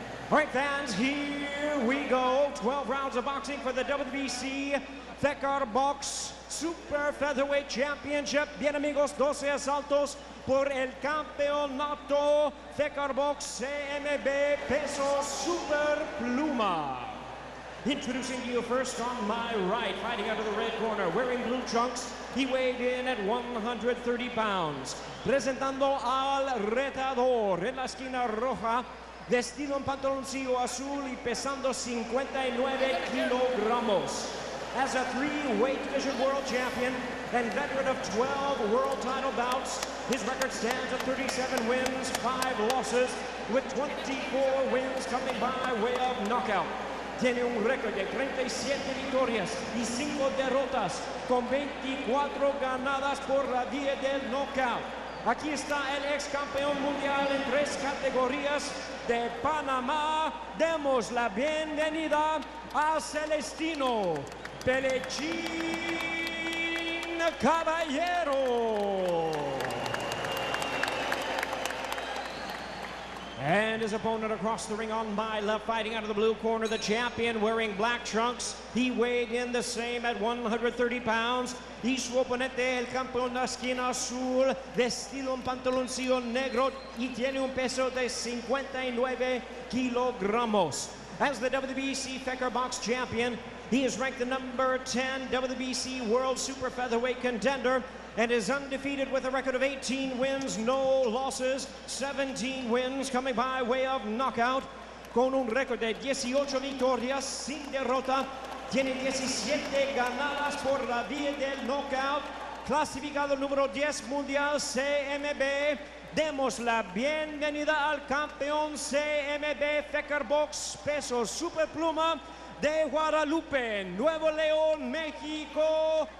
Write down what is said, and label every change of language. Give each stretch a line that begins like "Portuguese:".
English: All right, fans, here we go. 12 rounds of boxing for the WBC FECAR Box Super Featherweight Championship.
Spanish: Bien, amigos, 12 asaltos por el campeonato FECAR Box CMB Peso Super Pluma.
English: Introducing you first on my right, fighting out of the red corner, wearing blue trunks, he weighed in at 130 pounds.
Spanish: Presentando al retador en la esquina roja, vestido en pantaloncillo azul y pesando 59 kilogramos.
English: As a three-weight division world champion and veteran of 12 world title bouts, his record stands at 37 wins, 5 losses, with 24 wins coming by way of knockout.
Spanish: Tiene un récord de 37 victorias y 5 derrotas, con 24 ganadas por la vía del knockout. Aquí está el ex campeón mundial en 3 categorías de Panamá. Demos la bienvenida a Celestino Pelenchín Caballero.
English: And his opponent across the ring on my left, fighting out of the blue corner, the champion wearing black trunks. He weighed in the same at 130 pounds.
Spanish: Y su oponente, el campeón de la esquina azul, vestido en pantaloncillo negro y tiene un peso de 59 kilogramos.
English: As the WBC FECAR Box champion, he is ranked the number 10 WBC World Super Featherweight contender and is undefeated with a record of 18 wins, no losses, 17 wins coming by way of knockout.
Spanish: Con un récord de 18 victorias sin derrota, tiene 17 ganadas por la vía del knockout. Clasificado número 10 mundial CMB, demos la bienvenida al campeón CMB FECAR Box Peso Super Pluma de Guadalupe, Nuevo León, México.